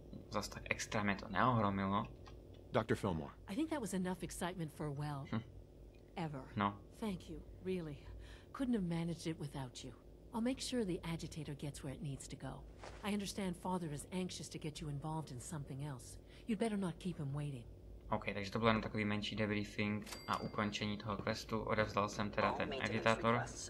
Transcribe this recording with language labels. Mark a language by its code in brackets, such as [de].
[cs] Zas tak extrémně to neohromilo. [en] Dr. Fillmore. I think that was enough excitement for well. Ever. No. Thank you, really. Couldn't have managed it without you. I'll make sure the agitator gets where it needs to go. I understand father is anxious to get you involved in something else. You'd better not keep him waiting. [cs] Okay, takže to bylo jen takový menší debriefing a ukončení toho questu. Odevzdal jsem teda ten agitátor.